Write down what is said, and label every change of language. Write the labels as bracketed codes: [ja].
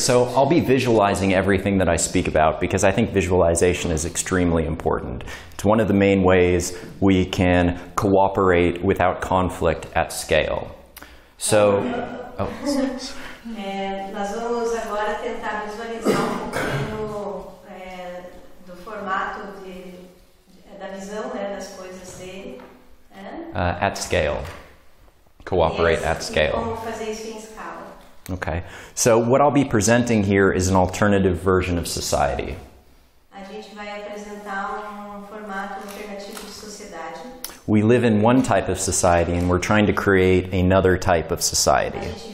[en] So I'll be visualizing everything that I speak about because I think visualization is extremely important. It's one of the main ways we can cooperate without conflict at scale. So, [pt] nós vamos agora tentar visualizar um pouquinho do formato da visão, né, das coisas dele. [en] At scale. Cooperate at scale. [pt] E como fazer isso em escala. [en] Okay. So what I'll be presenting here is an alternative version of society. [pt] A gente vai apresentar formato alternativo de sociedade. [en] We live in one type of society and we're trying to create another type of society.